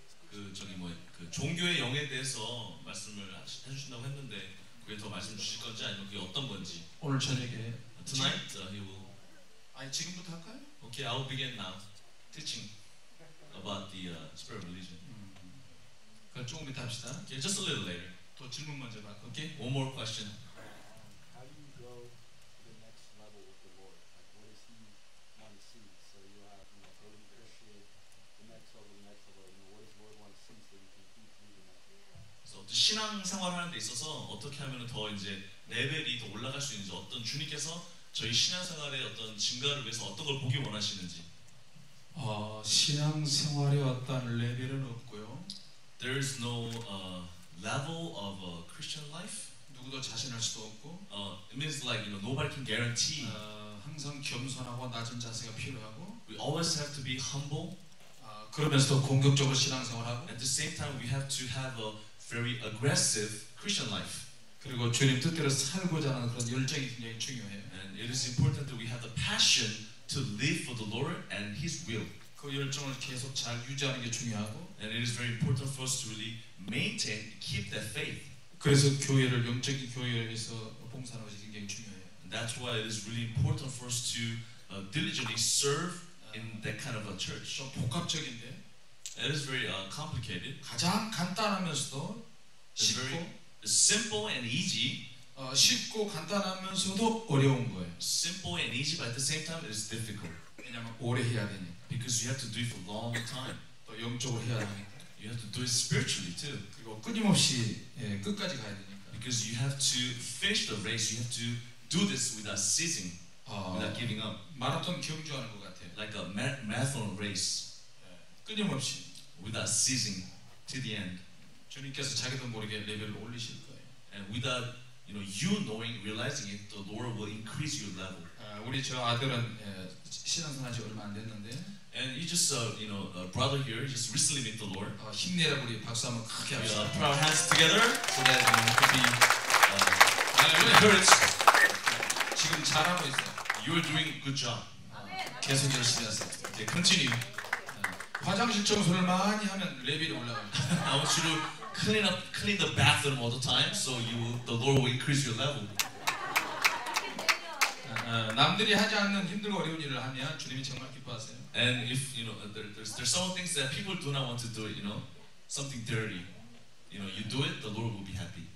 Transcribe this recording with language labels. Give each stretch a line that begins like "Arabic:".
Korean: 그 저기 뭐 그 종교의 영에 대해서 말씀을 해주신다고 했는데 그게 더 말씀 주실 건지 아니면 그게 어떤 건지 오늘 저녁에
English: tonight he will
Korean: 아니 지금부터 할까요?
English: Okay, I'll begin now teaching about the spirit of religion.
Korean: 그 조금 이따 합시다.
English: Okay, just a little later.
Korean: 또 질문 먼저 받고.
English: Okay, one more question. How do you go to the next level with the Lord? Like, what does He want to see? So you have, you know, early Christian, the next level. You know, what does the Lord want to see so you can keep moving up?
Korean: So 신앙 생활하는 데 있어서 어떻게 하면은 더 이제 레벨이 더 올라갈 수 있는지 어떤 주님께서 저희 신앙생활의 어떤 증가를 위해서 어떤 걸 보기 원하시는지. 신앙생활의 어떤 레벨은 없고요.
English: There is no level of a Christian life.
Korean: 누구도 자신할 수도 없고.
English: It means like you know, nobody can guarantee.
Korean: 항상 겸손하고 낮은 자세가 필요하고.
English: We always have to be humble.
Korean: 그러면서도 공격적으로 신앙생활하고.
English: At the same time, we have to have a very aggressive Christian life.
Korean: 그리고 주님 뜻대로 살고자 하는 그런 열정이 굉장히 중요해요.
English: And it is important that we have the passion to live for the Lord and His will.
Korean: 그 열정을 계속 잘 유지하는 게 중요하고.
English: And it is very important for us to really maintain, keep that faith.
Korean: 그래서 교회를 영적인 교회에서 봉사하는 것이 굉장히 중요해요.
English: And that's why it is really important for us to diligently serve in that kind of a church.
Korean: 좀 복합적인데.
English: It is very complicated.
Korean: 가장 간단하면서도 쉽고.
English: Simple and easy,
Korean: 쉽고 간단하면서도 어려운 거예요.
English: Simple and easy, but at the same time, it is difficult.
Korean: 왜냐면 오래 해야 되니.
English: Because you have to do it for a long time.
Korean: 또 영적으로 해야 되니.
English: You have to do it spiritually too.
Korean: 그리고 끊임없이 예, 끝까지 가야 되니까.
English: Because you have to finish the race. You have to do this without ceasing, without giving up.
Korean: 마라톤 경주하는 것 같아요.
English: Like a marathon race.
Korean: 끊임없이
English: without ceasing to the end.
Korean: 주님께서 자기도 모르게 레벨을 올리실 거예요.
English: And without you know you knowing realizing it, the Lord will increase your level.
Korean: 우리 저 아들은 예, 신앙생활이 얼마 안 됐는데.
English: And you just you know a brother here just recently met the Lord.
Korean: 힘내라 우리 박수 한번 크게 합시다.
English: We put our hands together so that we could be encouraged.
Korean: 지금 잘하고 있어.
English: You're doing good job.
Korean: 계속 열심히 하세요.
English: Okay, continue.
Korean: 화장실 청소를 많이 하면 레벨이 올라갑니다.
English: I want you to clean the bathroom all the time, so the Lord will increase your level.
Korean: 남들이 하지 않는 힘들고 어려운 일을 하면 주님이 정말 기뻐하세요.
English: And if you know there's some things that people do not want to do, you know, something dirty, you know, you do it, the Lord will be happy.